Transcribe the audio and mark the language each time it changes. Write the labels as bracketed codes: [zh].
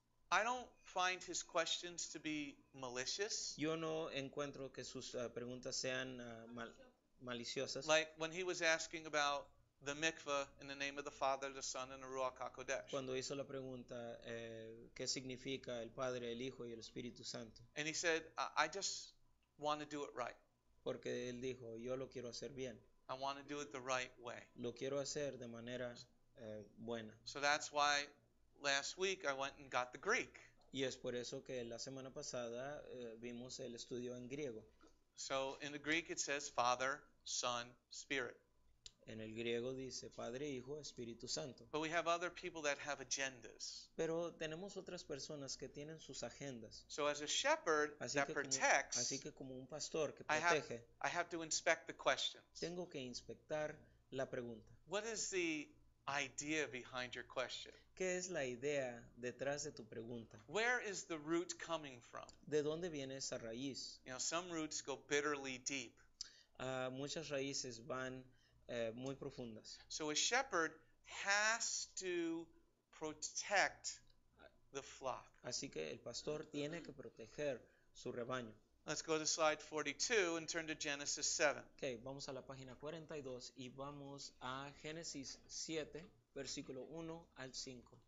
[en] I don't find his questions to be malicious. [es] Yo no encuentro que sus preguntas sean maliciosas. [en] Like when he was asking about the mikvah in the name of the Father, the Son, and the Ruach HaKodesh. [es] Cuando hizo la pregunta, ¿qué significa el Padre, el Hijo y el Espíritu Santo? [en] And he said, I just want to do it right. [es] Porque él dijo, yo lo quiero hacer bien. [en] I want to do it the right way. [es] Lo quiero hacer de manera buena. [en] So that's why last week I went and got the Greek. [es] Y es por eso que la semana pasada vimos el estudio en griego. [en] So in the Greek it says Father, Son, Spirit. [es] En el griego dice Padre, Hijo, Espíritu Santo. [en] But we have other people that have agendas. [es] Pero tenemos otras personas que tienen sus agendas. [en] So as a shepherd [es] así [en] that protects, [es] así que como un pastor que protege, [en] I have to inspect the questions. [es] Tengo que inspectar la pregunta. [en] What is the idea behind your question? [es] ¿Qué es la idea detrás de tu pregunta? [en] Where is the root coming from? [es] ¿De dónde viene esa raíz? [en] You know, some roots go bitterly deep. [es] Muchas raíces van muy profundas. [en] So a shepherd has to protect the flock. [es] Así que el pastor tiene que proteger su rebaño. [en] Let's go to slide 42 and turn to Genesis 7. [es] Okay, vamos a la página 42 y vamos a Génesis 7, versículo 1 al 5.